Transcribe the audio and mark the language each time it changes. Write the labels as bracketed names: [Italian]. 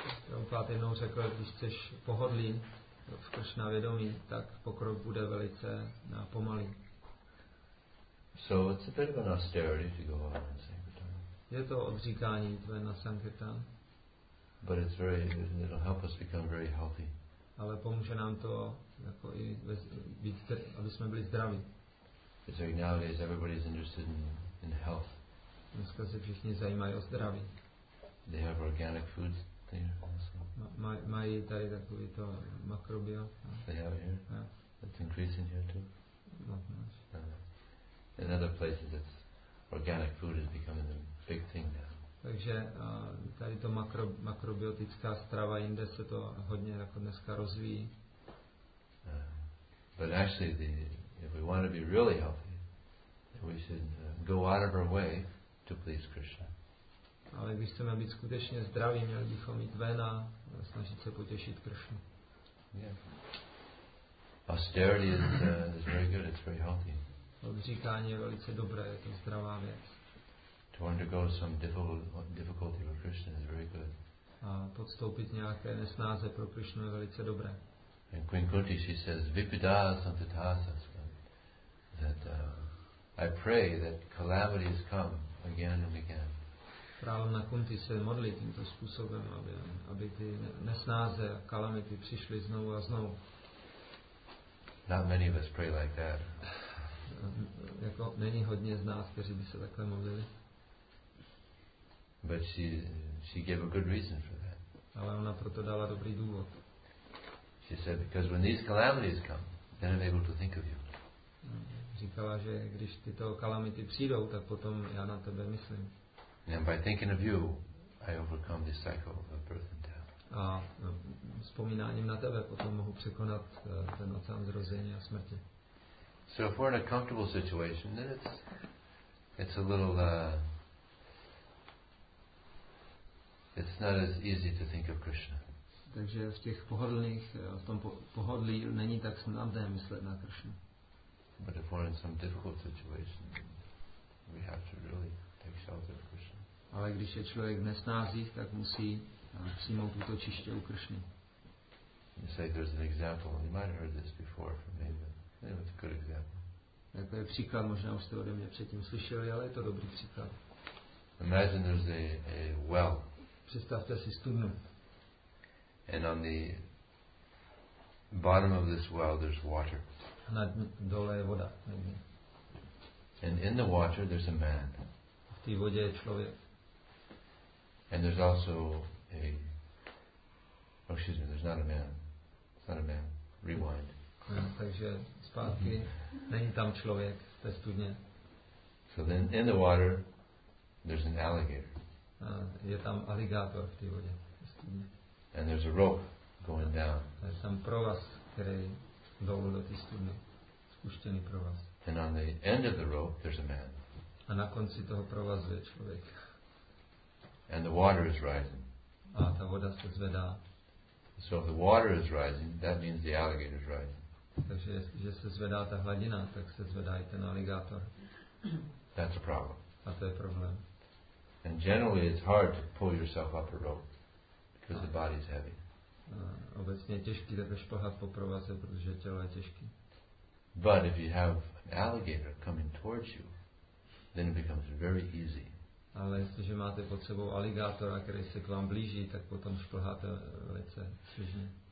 [Czech] Prabhupada jednou řekl, když chceš pohodlí v Krishna vědomí, tak pokrok bude velice pomalý. [English] So it's a bit of an austerity if you go on in Sankirtan. [Czech] Je to odříkání tvé na Sankirtan. [English] But it's very, it'll help us become very healthy. [Czech] Ale pomůže nám to jako i víc, aby jsme byli zdraví. [English] It's like nowadays everybody's interested in health. [Czech] Dneska se všichni zajímají o zdraví. [English] They have organic foods there also. [Czech] Mají tady takový to makrobio. [English] They have here? Yeah. It's increasing here too? Not much. In other places, it's organic food is becoming a big thing now. [Czech] Takže tady to makrobiotická strava, jinde se to hodně jako dneska rozvíjí. [English] But actually, if we want to be really healthy, we should go out of our way to please Krishna. [Czech] Ale když chceme být skutečně zdraví, měli bychom jít ven a snažit se potěšit Krishnu. [English] Yeah. Austerity is very good, it's very healthy. [Czech] Odříkání je velice dobré, je to zdravá věc. [English] To undergo some difficulty for Krishna is very good. [Czech] A podstoupit nějaké nesnáze pro Krishnu je velice dobré. [English] In Queen Kunti, she says, [Sanskrit] Vipida santitasas, [English] that I pray that calamities come again and again. [Czech] Královna Kunti se modlí tímto způsobem, aby ty nesnáze a kalamity přišly znovu a znovu. [English] Not many of us pray like that. [Czech] Jako není hodně z nás, kteří by se takhle modlili. [English] But she gave a good reason for that. [Czech] Ale ona proto dala dobrý důvod. [English] She said, because when these calamities come, then I'm able to think of you. [Czech] Říkala, že když tyto kalamity přijdou, tak potom já na tebe myslím. [English] And by thinking of you, I overcome this cycle of birth and death. [Czech] A vzpomínáním na tebe potom mohu překonat ten ocean zrození a smrti. [English] So if we're in a comfortable situation, then it's a little it's not as easy to think of Krishna. [Czech] Takže v těch pohodlných, v tom pohodlí není tak snadné myslet na Krishnu. [English] But if we're in some difficult situation, we have to really take shelter of Krishna. [Czech] Ale když je člověk v nesnázích, tak musí přijmout útočiště u Krishny. [English] You say there's an example. You might have heard this before from me, but maybe it's a good example. [Czech] Jako je příklad, možná už jste ode mě předtím slyšeli, ale je to dobrý příklad. [English] Imagine there's a well. [Czech] Představte si studnu. [English] And on the bottom of this well there's water. [Czech] Na dole je voda. [English] And in the water there's a man. [Czech] V té vodě je člověk. [English] And there's also a... Oh, excuse me, there's not a man. It's not a man. Rewind. [Czech] Takže zpátky. Není tam člověk v té studně. [English] So then in the water there's an alligator. [Czech] Je tam aligátor v té vodě. [English] And there's a rope going down. [Czech] A je tam provaz, který dolů do té studny. Spuštěný provaz. [English] And on the end of the rope, there's a man. [Czech] A na konci toho provazu je člověk. [English] And the water is rising. [Czech] A ta voda se zvedá. [English] So if the water is rising, that means the alligator is rising. [Czech] Takže že se zvedá ta hladina, tak se zvedá i ten aligátor. [English] That's a problem. [Czech] A to je problém. [English] And generally it's hard to pull yourself up a rope because the body is heavy. [Czech] Obecně je těžký takhle šplhat po provaze, protože tělo je těžké. [English] But if you have an alligator coming towards you, then it becomes very easy. [Czech] Ale jestliže máte pod sebou aligátora, který se k vám blíží, tak potom šplháte velice svěžně.